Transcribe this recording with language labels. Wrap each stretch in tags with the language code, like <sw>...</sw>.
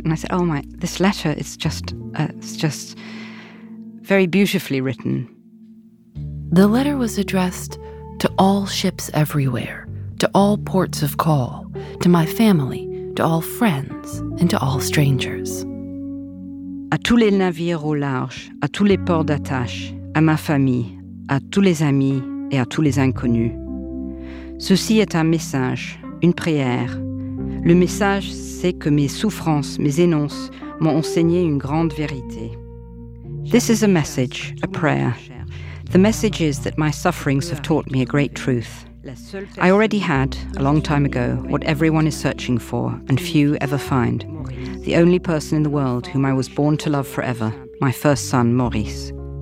<en>And I said, oh, my, this letter is just, it's just very beautifully written. The letter was addressed to all ships everywhere, to all ports of call, to my family, to all friends, and to all strangers.</en> <fr>À tous les navires au large, à tous les ports d'attache, à ma famille, à tous les amis et à tous les inconnus. Ceci est un message, une prière. Le message, c'est que mes souffrances, mes énonces, m'ont enseigné une grande vérité.</fr> <en>This is a message, a prayer. The message is that my sufferings have taught me a great truth. I already had, a long time ago, what everyone is searching for and few ever find. The only person in the world whom I was born to love forever, my first son, Maurice.</en>